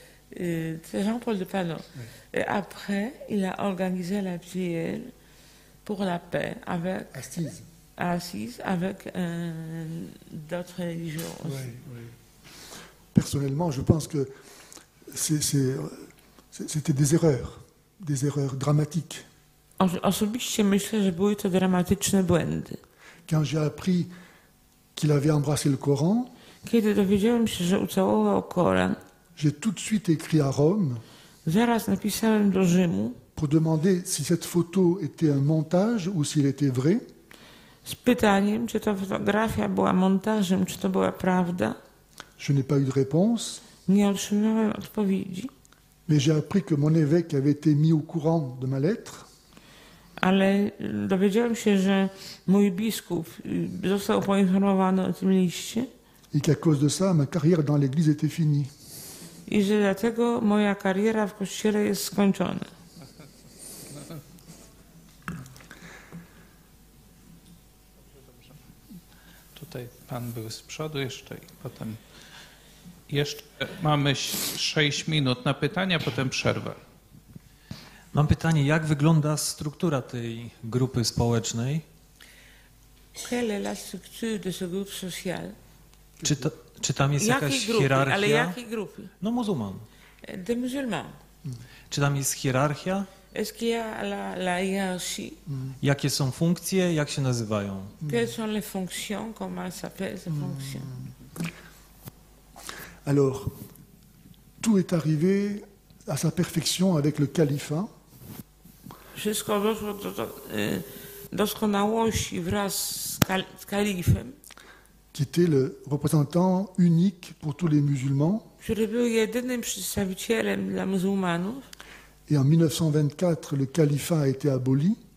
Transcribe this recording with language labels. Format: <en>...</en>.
<fr>C'est Jean-Paul II, pardon. Oui. Et après, il a organisé la prière pour la paix avec... Assise, avec d'autres religions. Oui, oui. Personnellement, je pense que c'était des erreurs. Des erreurs dramatiques.</fr> <pl>Osobiście myślę, że były to dramatyczne błędy.</pl> <fr>Quand j'ai appris qu'il avait embrassé le Coran,</fr> <pl>kiedy dowiedziałem się, że ucałował Koran,</pl> <fr>j'ai tout de suite écrit à Rome,</fr> <pl>zaraz napisałem do Rzymu,</pl> <fr>pour demander si cette photo était un montage ou s'il était vrai.</fr> <pl>Z pytaniem, czy ta fotografia była montażem, czy to była prawda.</pl> <fr>Je n'ai pas eu de réponse.</fr> <pl>Nie otrzymałem odpowiedzi.</pl> <fr>Mais j'ai appris que mon évêque avait été mis au courant de ma lettre.</fr> <pl>Ale dowiedziałem się, że mój biskup został poinformowany o tym liście.</pl> <fr>Et qu'à cause de ça, ma carrière dans l'église était finie.</fr> <pl>I że dlatego moja kariera w kościele jest skończona. Tutaj pan był z przodu jeszcze i potem... Jeszcze mamy 6 minut na pytania, potem przerwę. Mam pytanie, jak wygląda struktura tej grupy społecznej?</pl> <fr>Quelle est la structure de ce groupe social?</fr> <pl>Czy tam jest jakaś hierarchia? Ale jakiej grupy? No muzułman.</pl> <fr>De musulman.</fr> <pl>Czy tam jest hierarchia?</pl> <fr>Est-ce qu'il y a la hierarchie?</fr> <pl>Jakie są funkcje, jak się nazywają?</pl> <fr>Quelles sont les fonctions, comment s'appellent ces fonctions? Alors, tout est arrivé à sa perfection avec le califat.</fr> <pl>Wszystko doszło do doskonałości wraz z kalifem.</pl> <fr>Qui était le représentant unique pour tous les musulmans.</fr> <pl>Który był jedynym przedstawicielem dla muzułmanów.</pl> <fr>Et en 1924, le califat a été aboli.</fr>